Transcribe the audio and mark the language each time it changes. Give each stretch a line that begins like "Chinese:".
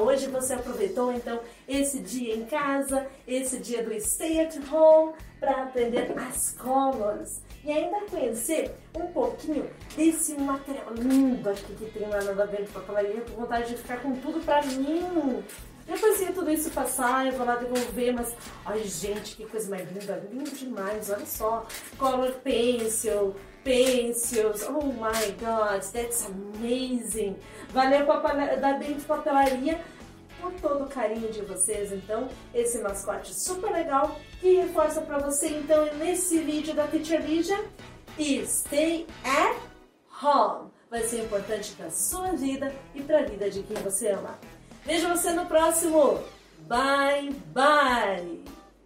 Portuguese: Hoje você aproveitou, então, esse dia em casa, esse dia do
English: Stay at Home,
Portuguese: para aprender as colors e ainda conhecer um pouquinho desse material lindo aqui que tem lá na Babel de Papelaria. Eu tô com vontade de ficar com tudo para mim. Depois que tudo isso passar, eu vou lá devolver, mas... Ai, gente, que coisa mais linda! Lindo demais, olha só!
English: Color Pencil! Pencils, oh my god, that's amazing!
Portuguese: Valeu, Babel de Papelaria, por todo o carinho de vocês, então, esse mascote super legal, que reforça pra você, então, nesse vídeo da Teacher Lígia, e
English: stay at home!
Portuguese: Vai ser importante pra sua vida e pra vida de quem você ama. Vejo você no próximo!
English: Bye, bye!